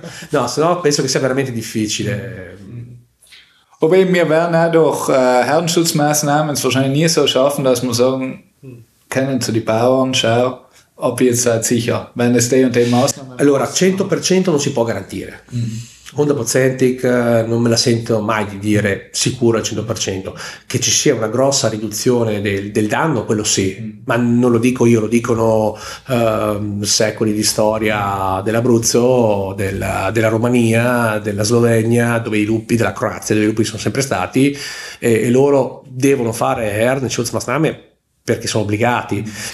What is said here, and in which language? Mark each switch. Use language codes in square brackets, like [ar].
[it] No, se no penso che sia veramente difficile. [de] Aber wir werden auch durch Herdenschutzmaßnahmen es wahrscheinlich nie so schaffen, dass wir sagen, können zu den Bauern schauen, ob ihr seid sicher, wenn es die und die Maßnahmen. [it] Allora, 100% non si può garantire. 100% non me la sento mai di dire sicuro al 100%, che ci sia una grossa riduzione del danno, quello sì, ma non lo dico io, lo dicono secoli di storia dell'Abruzzo, della Romania, della Slovenia, dove i lupi, della Croazia, dove i lupi sono sempre stati, e loro devono fare Herdenschutzmaßnahmen perché sono obbligati.